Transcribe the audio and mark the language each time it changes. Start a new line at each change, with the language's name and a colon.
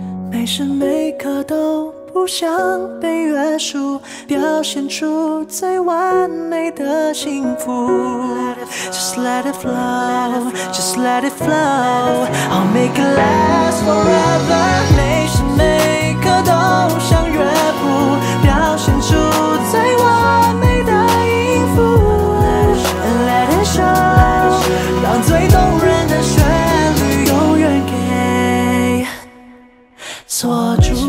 Chinese: 每时每刻都不想被约束，表现出最完美的幸福。
English: Just let it flow, just let it flow, I'll make it last forever。
Chinese: 每时每刻都想乐谱，表现出最完美的音符。
English: Let it show,
Chinese: 让最动人的旋律永远给锁住。